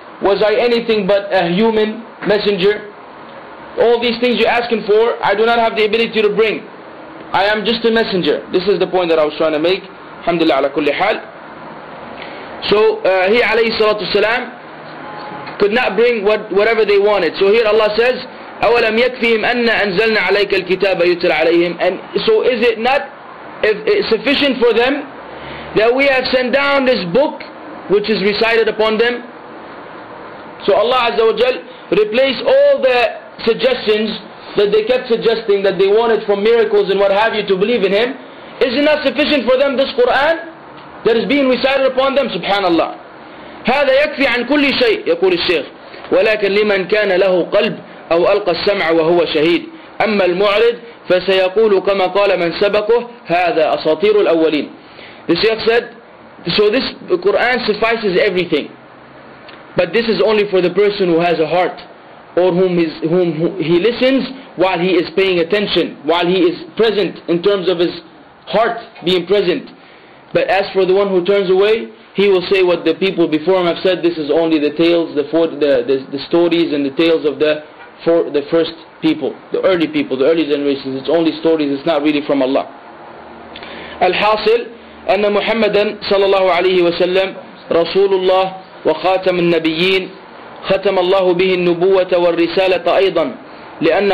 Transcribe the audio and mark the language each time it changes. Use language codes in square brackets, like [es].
[en] Was I anything but a human messenger? All these things you're asking for, I do not have the ability to bring. I am just a messenger. This is the point that I was trying to make. Alhamdulillah ala kulli hal. So he alayhi salatu salam could not bring whatever they wanted. [ar] So here Allah says, أَوَلَمْ يَكْفِهِمْ أَنَّ أَنزَلْنَا عَلَيْكَ الْكِتَابَ يُتْلَى عَلَيْهِمْ. [en] And so is it not sufficient for them that we have sent down this book which is recited upon them? So Allah Azza wa Jal replaced all the suggestions that they kept suggesting, that they wanted from miracles and what have you to believe in him. Is it not sufficient for them this Quran that is being recited upon them? Subhanallah. [ar] هذا يكفي عن كل شيء يقول الشيخ ولكن لمن كان له قلب أو ألقى السمع وهو شهيد أما المعرض فسيقول كما قال من سبقه هذا أساطير الأولين. [en] The Shaykh said, so this Quran suffices everything, but this is only for the person who has a heart, or whom he listens while he is paying attention, while he is present in terms of his heart being present. But as for the one who turns away, he will say what the people before him have said. This is only the tales, the stories and the tales of the first people, the early people, the early generations. It's only stories. It's not really from Allah. [ar] Al-hasil anna Muhammadan sallallahu alayhi wa sallam Rasulullah wa khatam al-nabiyyin ختم الله به النبوة والرسالة أيضا لأنه إذا انتفت النبوة وهي أعم من الرسالة